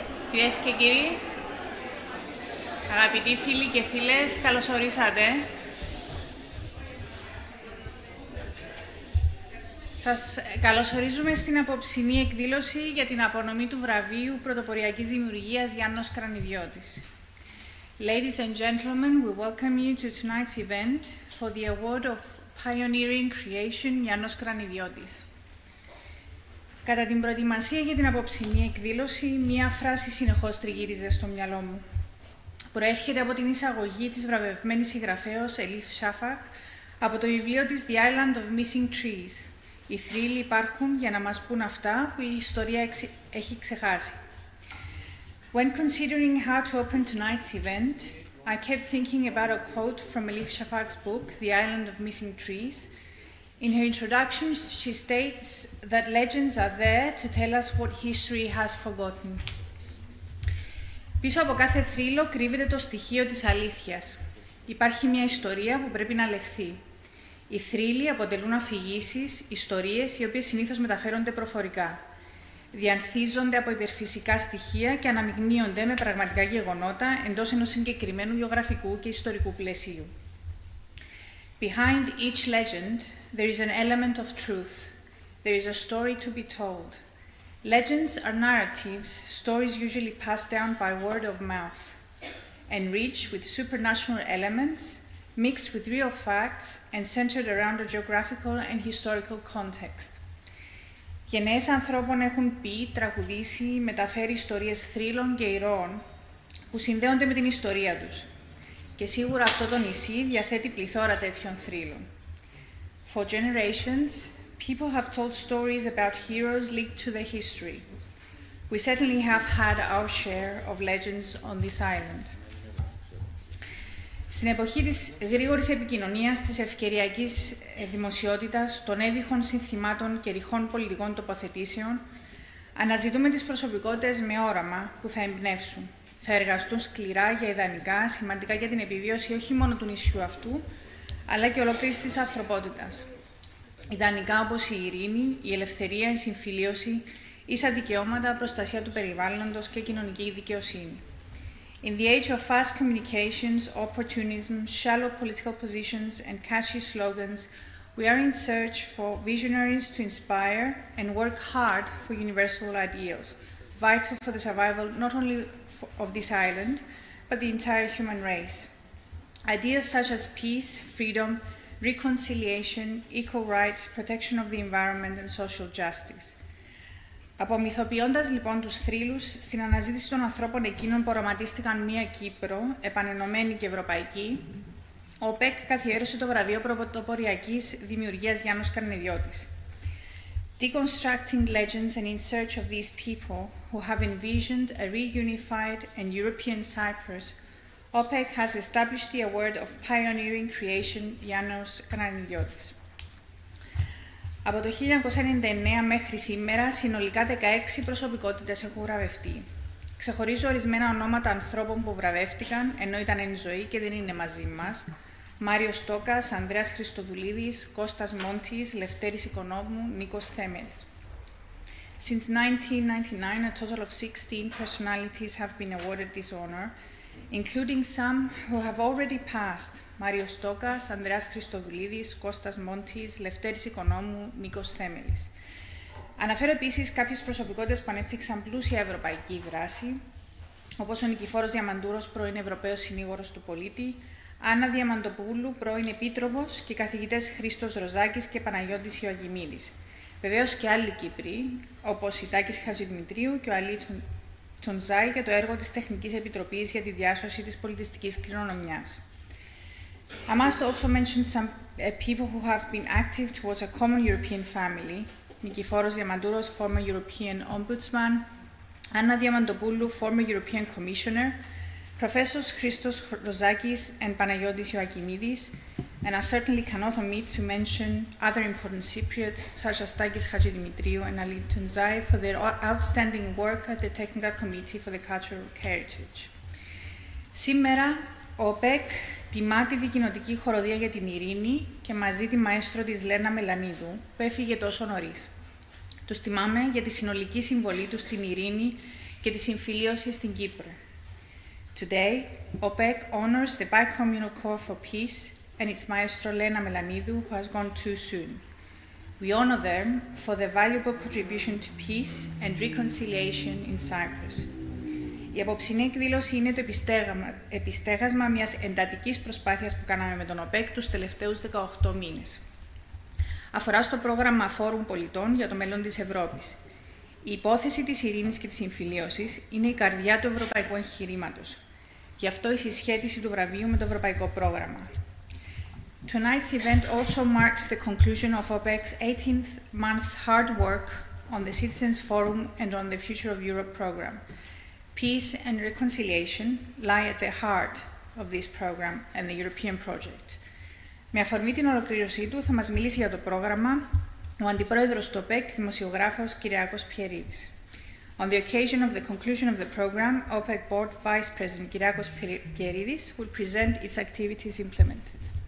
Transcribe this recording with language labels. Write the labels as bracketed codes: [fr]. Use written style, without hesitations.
[el] Κυρίες και κύριοι, αγαπητοί φίλοι και φίλες, καλωσορίσατε. Σας καλωσορίζουμε στην απόψινή εκδήλωση για την απονομή του βραβείου πρωτοποριακής δημιουργίας Γιάννος Κρανιδιώτης. [en] Ladies and gentlemen, we welcome you to tonight's event for the award of pioneering creation Γιάννος Κρανιδιώτης. [el] Κατά την προετοιμασία για την απόψινή εκδήλωση, μία φράση συνεχώς τριγύριζε στο μυαλό μου. Προέρχεται από την εισαγωγή της βραβευμένης συγγραφέως Ελίφ Σάφακ από το βιβλίο της «The Island of Missing Trees». Οι θρύλοι υπάρχουν για να μας πούν αυτά που η ιστορία έχει ξεχάσει. [en] When considering how to open tonight's event, I kept thinking about a quote from Elif Shafak's book, The Island of Missing Trees. In her introduction, she states that legends are there to tell us what history has forgotten. [el] Πίσω από κάθε θρύλο κρύβεται το στοιχείο της αλήθειας. Υπάρχει μια ιστορία που πρέπει να λεχθεί. Οι θρύλοι αποτελούν αφηγήσεις, ιστορίες, οι οποίες συνήθως μεταφέρονται προφορικά. Διανθίζονται από υπερφυσικά στοιχεία και αναμειγνύονται με πραγματικά γεγονότα εντός ενός συγκεκριμένου γεωγραφικού και ιστορικού πλαισίου. [en] Behind each legend, there is an element of truth. There is a story to be told. Legends are narratives, stories usually passed down by word of mouth, enriched with supernatural elements, mixed with real facts and centered around a geographical and historical context. [el] Γενναίες ανθρώπων έχουν πει, τραγουδήσει, μεταφέρει ιστορίες θρύλων και ηρώων που συνδέονται με την ιστορία τους. Και σίγουρα αυτό το νησί διαθέτει πληθώρα τέτοιων θρύλων. [en] For generations, people have told stories about heroes linked to their history. We certainly have had our share of legends on this island. [el] Στην εποχή της γρήγορης επικοινωνίας, της ευκαιριακής δημοσιότητας, των εύηχων συνθημάτων και ρηχών πολιτικών τοποθετήσεων, αναζητούμε τις προσωπικότητες με όραμα που θα εμπνεύσουν, θα εργαστούν σκληρά για ιδανικά, σημαντικά για την επιβίωση όχι μόνο του νησιού αυτού, αλλά και ολόκληρης της ανθρωπότητας. Ιδανικά όπως η ειρήνη, η ελευθερία, η συμφιλίωση, ίσα δικαιώματα, προστασία του περιβάλλοντος και κοινωνική δικαιοσύνη. [en] In the age of fast communications, opportunism, shallow political positions and catchy slogans, we are in search for visionaries to inspire and work hard for universal ideals, vital for the survival not only of this island, but the entire human race. Ideas such as peace, freedom, reconciliation, equal rights, protection of the environment and social justice. [el] Απομυθοποιώντας λοιπόν τους θρύλους, στην αναζήτηση των ανθρώπων εκείνων που οραματίστηκαν μία Κύπρο, επανενωμένη και ευρωπαϊκή, ο ΟΠΕΚ καθιέρωσε το βραβείο πρωτοποριακής δημιουργίας Γιάννος Κρανιδιώτης. [en] Deconstructing legends and in search of these people who have envisioned a reunified and European Cyprus, ΟΠΕΚ has established the award of pioneering creation Γιάννος Κρανιδιώτης. [el] Από το 1999 μέχρι σήμερα, συνολικά 16 προσωπικότητες έχουν βραβευτεί. Ξεχωρίζω ορισμένα ονόματα ανθρώπων που βραβεύτηκαν, ενώ ήταν εν ζωή και δεν είναι μαζί μας. Μάριος Στόκας, Ανδρέας Χριστοδουλίδης, Κώστας Μόντης, Λευτέρης Οικονόμου, Νίκος Θέμελς. [en] Since 1999, a total of 16 personalities have been awarded this honor, including some who have already passed. [el] Μάριος Στόκας, Ανδρέας Χριστοδουλίδης, Κώστας Μόντης, Λευτέρης Οικονόμου, Νίκος Θέμελης. Αναφέρω επίσης κάποιες προσωπικότητες που ανέπτυξαν πλούσια ευρωπαϊκή δράση, όπως ο Νικηφόρος Διαμαντούρος, πρώην Ευρωπαίος Συνήγορος του Πολίτη, Άννα Διαμαντοπούλου, πρώην Επίτροπος και καθηγητές Χρήστος Ροζάκης και Παναγιώτης Ιωαγημίδης. Βεβαίως και άλλοι Κύπροι, όπως η Τάκης Χατζηδημητρίου και ο Αλή Τσουντζάη για το έργο της Τεχνικής Επιτροπής για τη Διάσωση της Πολιτιστικής Κληρονομιάς. [en] I must also mention some people who have been active towards a common European family. Νικηφόρος Διαμαντούρος, former European Ombudsman. Άννα Διαμαντοπούλου, former European Commissioner. Professors Christos Rozakis and Panagiotis Ioakimidis. And I certainly cannot omit to mention other important Cypriots, such as Takis Hadjidimitriou and Ali Tunzai, for their outstanding work at the Technical Committee for the Cultural Heritage. [el] Σήμερα, ΟΠΕΚ τιμά τη δικοινωτική χοροδία για την ειρήνη και μαζί τη μαέστρο της Λένα Μελανίδου, που έφυγε τόσο νωρίς. Τους τιμάμε για τη συνολική συμβολή τους στην ειρήνη και τη συμφιλίωση στην Κύπρο. [en] Today, OPEC honors the Bicommunal Corps for Peace and its maestro Lena Melanidou, who has gone too soon. We honor them for their valuable contribution to peace and reconciliation in Cyprus. [el] Η απόψινή εκδήλωση είναι το επιστέγασμα μιας εντατικής προσπάθειας που κάναμε με τον ΟΠΕΚ τους τελευταίους 18 μήνες. Αφορά στο πρόγραμμα Φόρουμ Πολιτών για το μέλλον της Ευρώπης. Η υπόθεση της ειρήνης και της συμφιλίωσης είναι η καρδιά του ευρωπαϊκού εγχειρήματος. Γι' αυτό η συσχέτιση του βραβείου με το ευρωπαϊκό πρόγραμμα. [en] Tonight's event also marks the conclusion of OPEC's 18th month hard work on the Citizens Forum and on the Future of Europe program. Peace and reconciliation lie at the heart of this program and the European project. [el] Με αφορμή την ολοκλήρωσή του, θα μας μιλήσει για το πρόγραμμα ο αντιπρόεδρος του ΟΠΕΚ, δημοσιογράφος Κυριάκος Πιερίδης. [en] On the occasion of the conclusion of the program, OPEC Board Vice President Κυριάκος Πιερίδης will present its activities implemented.